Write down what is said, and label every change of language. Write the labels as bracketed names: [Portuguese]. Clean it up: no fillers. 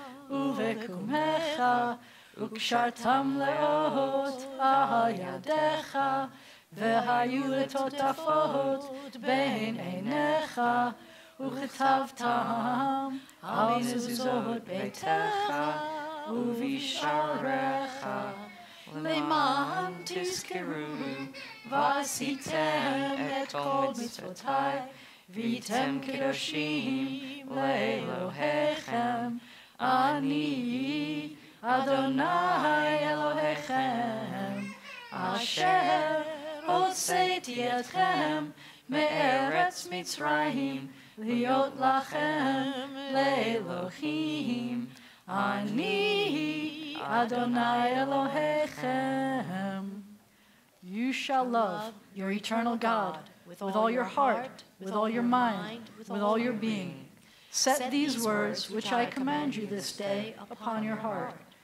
[Hebrew] ובקומך, וקשרתם לאות על ידך, והיו לטוטפות בין עיניך, וכתבתם על מזוזות ביתך ובשעריך. למען תזכרו, ועשיתם את כל מצוותי, והייתם קדושים לאלוהיכם. אני אדוני אלוהיכם, אשר הוצאתי אתכם מארץ מצרים, להיות לכם לאלוהים. אני Adonai Eloheichem. [English] You shall love your eternal God with all your heart, with all your mind, with all your being. Set these words, which I command you this day, upon your heart.